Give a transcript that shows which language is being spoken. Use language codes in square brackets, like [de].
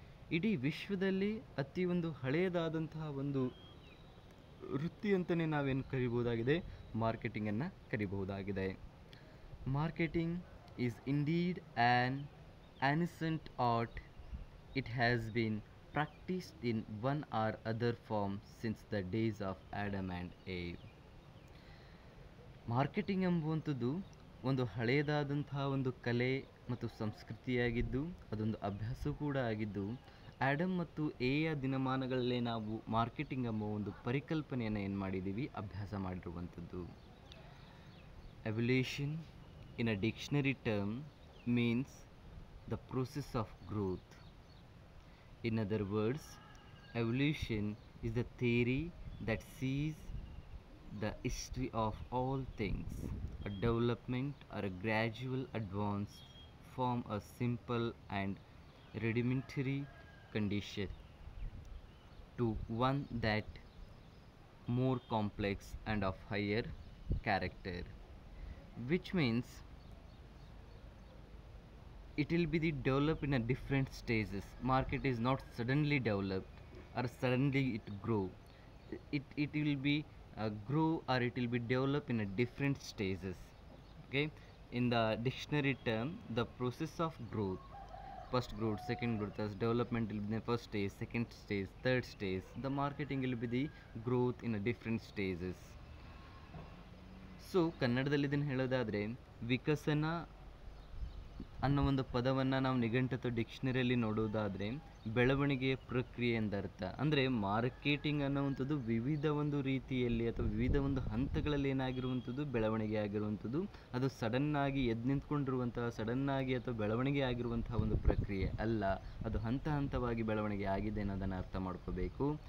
[kn] ಇಡೀ ವಿಶ್ವದಲ್ಲಿ ಅತಿ ಒಂದು ಹಳೆಯದಾದಂತಹ ಒಂದು ವೃತ್ತಿ ಅಂತಲೇ ನಾವೇನು ಕರಿಬೋದಾಗಿದೆ, ಮಾರ್ಕೆಟಿಂಗನ್ನು ಕರಿಬಹುದಾಗಿದೆ. [en] Marketing is indeed an ancient art. It has been practiced in one or other form since the days of Adam and Eve. [kn] Marketing ಎಂಬುವಂಥದ್ದು ಒಂದು ಹಳೆಯದಾದಂತಹ ಒಂದು ಕಲೆ ಮತ್ತು ಸಂಸ್ಕೃತಿಯಾಗಿದ್ದು ಅದೊಂದು ಅಭ್ಯಾಸ ಕೂಡ ಆಗಿದ್ದು, ಆ್ಯಡಮ್ ಮತ್ತು ಎಯ ದಿನಮಾನಗಳಲ್ಲೇ ನಾವು ಮಾರ್ಕೆಟಿಂಗ್ ಎಂಬ ಒಂದು ಪರಿಕಲ್ಪನೆಯನ್ನು ಏನು ಮಾಡಿದ್ದೀವಿ, ಅಭ್ಯಾಸ ಮಾಡಿರುವಂಥದ್ದು. [en] Evolution in a dictionary term means the process of growth. In other words, evolution is the theory that sees the history of all things. A development or a gradual advance from a simple and rudimentary condition to one that more complex and of higher character, which means it will be developed in a different stages. Market is not suddenly developed or suddenly it grow. It will be grow or it will be developed in a different stages. Okay, in the dictionary term, the process of growth, first growth, second growth, as development will be the first stage, second stage, third stage, the marketing will be the growth in a different stages. [kn] So ಕನ್ನಡದಲ್ಲಿ ಇದನ್ನು ಹೇಳೋದಾದರೆ ವಿಕಸನ ಅನ್ನೋ ಒಂದು ಪದವನ್ನು ನಾವು ನಿಘಂಟತ ಡಿಕ್ಷನರಿಯಲ್ಲಿ ನೋಡೋದಾದರೆ ಬೆಳವಣಿಗೆಯ ಪ್ರಕ್ರಿಯೆ ಎಂದರ್ಥ. ಅಂದರೆ ಮಾರ್ಕೆಟಿಂಗ್ ಅನ್ನೋವಂಥದ್ದು ವಿವಿಧ ಒಂದು ರೀತಿಯಲ್ಲಿ ಅಥವಾ ವಿವಿಧ ಒಂದು ಹಂತಗಳಲ್ಲಿ ಏನಾಗಿರುವಂಥದ್ದು ಬೆಳವಣಿಗೆ ಆಗಿರುವಂಥದ್ದು, ಅದು ಸಡನ್ನಾಗಿ ಎದ್ದು ನಿಂತ್ಕೊಂಡಿರುವಂತಹ ಸಡನ್ನಾಗಿ ಅಥವಾ ಬೆಳವಣಿಗೆ ಆಗಿರುವಂತಹ ಒಂದು ಪ್ರಕ್ರಿಯೆ ಅಲ್ಲ, ಅದು ಹಂತ ಹಂತವಾಗಿ ಬೆಳವಣಿಗೆ ಆಗಿದೆ ಅನ್ನೋದನ್ನು ಅರ್ಥ ಮಾಡ್ಕೋಬೇಕು.